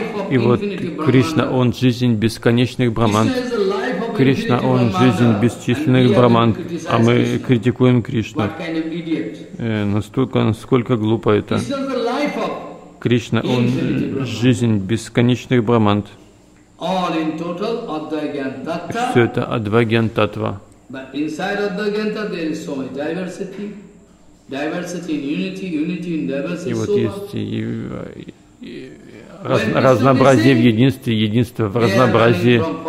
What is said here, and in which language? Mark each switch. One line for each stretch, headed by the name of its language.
Russian: И вот Кришна, он жизнь бесконечных браман. Кришна, он жизнь бесчисленных браман, а мы критикуем Кришну. Насколько глупо это. Кришна, он жизнь бесконечных браман. Все это Адвайян Татва.
English: But inside Advaita there is so much diversity, diversity in unity, unity in diversity.
Russian: И вот есть разнообразие в единстве, единство в разнообразии.